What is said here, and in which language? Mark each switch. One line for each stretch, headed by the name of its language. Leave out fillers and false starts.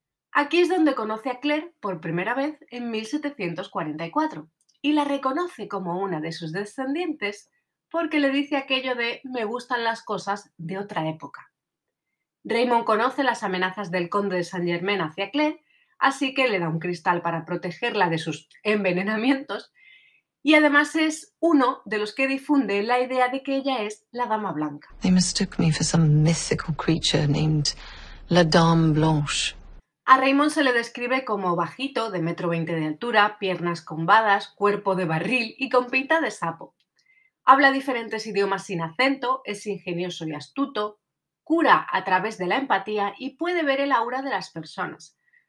Spanish: Aquí es donde conoce a Claire por primera vez en 1744 y la reconoce como una de sus descendientes porque le dice aquello de «me gustan las cosas de otra época». Raymond conoce las amenazas del conde de Saint-Germain hacia Claire, así que le da un cristal para protegerla de sus envenenamientos y además es uno de los que difunde la idea de que ella es la Dama Blanca.
English: They mistook me for some mythical creature named la Dame Blanche.
Spanish: A Raymond se le describe como bajito, de 1,20 m de altura, piernas combadas, cuerpo de barril y con pinta de sapo. Habla diferentes idiomas sin acento, es ingenioso y astuto, cura a través de la empatía y puede ver el aura de las personas.